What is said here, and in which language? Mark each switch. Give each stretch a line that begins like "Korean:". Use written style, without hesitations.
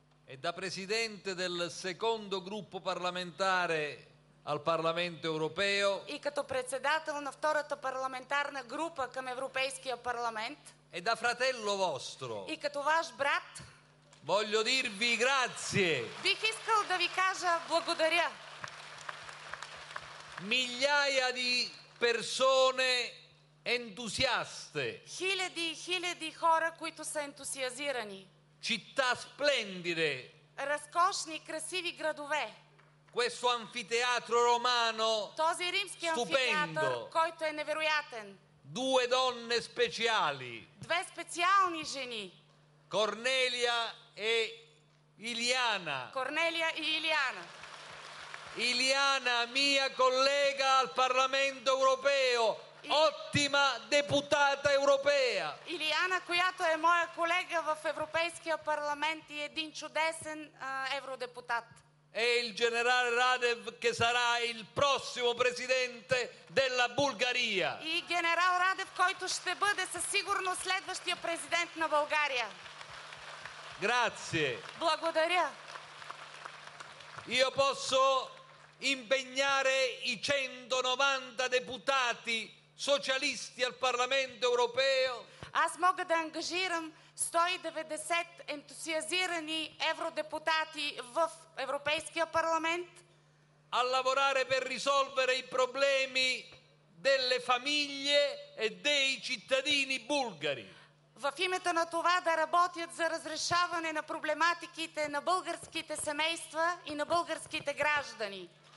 Italian: e da presidente del secondo gruppo parlamentare al Parlamento europeo
Bulgarian: и като председател на втората парламентарна група към Европейския парламент
Italian: e da fratello vostro
Bulgarian: и като ваш брат
Italian: voglio dirvi grazie
Bulgarian: бих искал да ви кажа благодаря.
Italian: Migliaia di persone entusiaste
Bulgarian: хиляди и хиляди хора, които са ентусиазирани.
Italian: Città splendide.
Bulgarian: Разкошни, красиви градове.
Italian: Questo anfiteatro romano.
Bulgarian: Този римски амфитеатър, който е невероятен.
Italian: Due donne speciali.
Bulgarian: Две специални жени.
Italian: Cornelia e Iliana. Cornelia e Iliana. Iliana, mia collega al Parlamento europeo. Ottima deputata europea.
Bulgarian: Iliana, която е моя колега в Европейския парламент и един чудесен евродепутат.
Italian: E il generale Radev che sarà il prossimo presidente della Bulgaria.
Bulgarian: И генерал Радев, който ще бъде със сигурност следващия президент на България.
Italian: Grazie.
Bulgarian: Благодаря.
Italian: Io posso impegnare i 190 deputati socialisti al Parlamento europeo.
Bulgarian: Аз мога да ангажирам 190 ентусиазирани евродепутати в Европейския парламент.
Italian: A lavorare per risolvere i problemi delle famiglie e dei cittadini bulgari.
Bulgarian: В името на това да работят за разрешаване на проблематиките на българските семейства и на българските граждани.